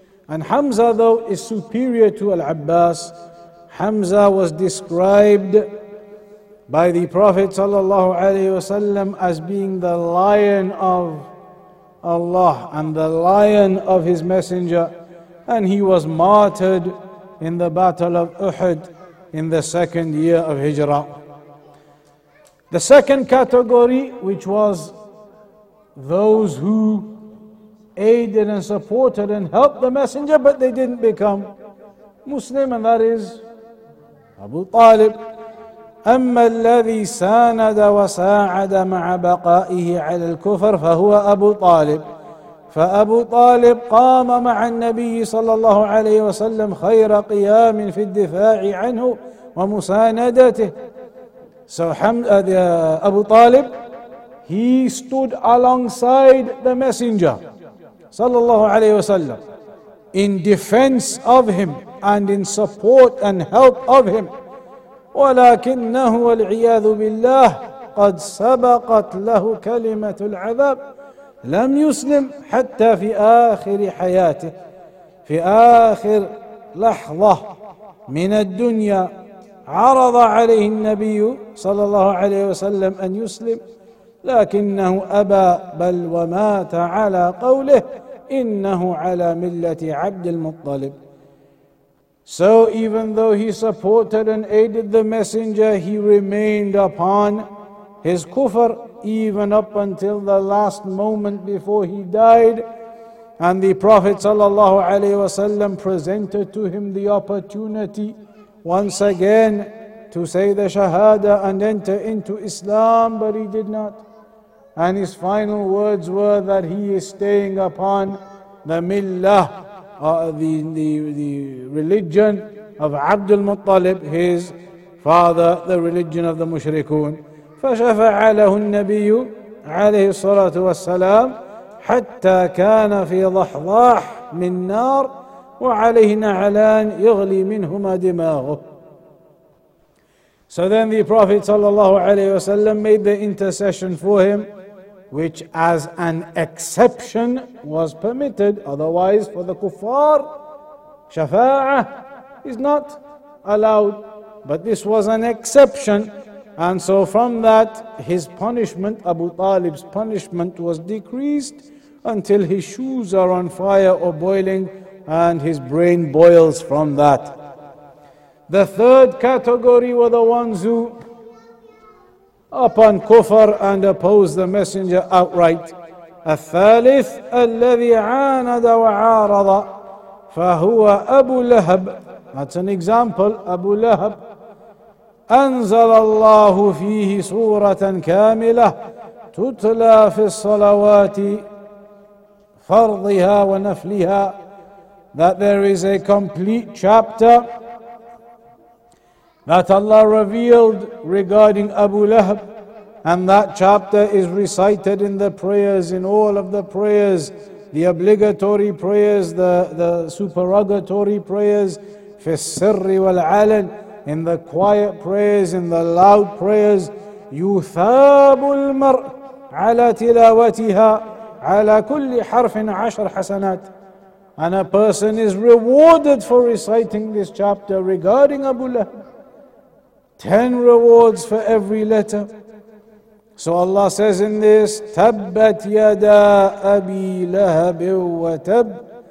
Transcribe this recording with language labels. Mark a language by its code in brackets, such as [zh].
[en] And Hamza though is superior to Al-Abbas. Hamza was described by the Prophet sallallahu alaihi wasallam as being the lion of Allah and the lion of his messenger, and he was martyred in the battle of Uhud in the second year of Hijrah. The second category, which was those who aided and supported and helped the messenger but they didn't become Muslim, and that is أبو طالب. [ar] أما الذي ساند وساعد مع بقائه على الكفر فهو أبو طالب. فأبو طالب قام مع النبي صلى الله عليه وسلم خير قيام في الدفاع عنه ومساندته. [en] So أبو طالب, he stood alongside the messenger صلى الله عليه وسلم in defense of him and in support and help of him. [ar] ولكنه والعياذ بالله قد سبقت له كلمة العذاب لم يسلم حتى في آخر حياته في آخر لحظة من الدنيا عرض عليه النبي صلى الله عليه وسلم أن يسلم لكنه أبى بل ومات على قوله إنه على ملة عبد المطلب. [en] So even though he supported and aided the messenger, he remained upon his kufr even up until the last moment before he died. And the Prophet sallallahu alaihi wasallam presented to him the opportunity once again to say the shahada and enter into Islam, but he did not. And his final words were that he is staying upon the millah, the religion of Abd al-Muttalib, his father, the religion of the mushrikun. [ar] فشفع له النبي عليه الصلاة والسلام حتى كان في ضحضاح من نار وعليه نعلان يغلي منهما دماغه. [en] So then the Prophet صلى الله عليه وسلم made the intercession for him, which as an exception was permitted, otherwise for the kuffar, shafa'ah is not allowed, but this was an exception. And so from that, his punishment, Abu Talib's punishment, was decreased until his shoes are on fire or boiling and his brain boils from that. The third category were the ones who upon kufr and oppose the messenger outright. [ar] الثالث الذي عاند وعارض فهو أبو لهب. [en] That's an example, أبو لهب. [ar] أنزل الله فيه سورة كاملة تتلى في الصلوات فرضها ونفلها. [en] That there is a complete chapter that Allah revealed regarding Abu Lahab, and that chapter is recited in the prayers, in all of the prayers, the obligatory prayers, the supererogatory prayers, [ar] في السر والعلن, [en] in the quiet prayers, in the loud prayers. [ar] يثاب المرء على تلاوتها على كل حرف عشر حسنات. [en] And a person is rewarded for reciting this chapter regarding Abu Lahab. 10 rewards for every letter. So Allah says in this, [ar] تَبَّتْ يَدَا أَبِي لَهَبٍ وَتَبْ.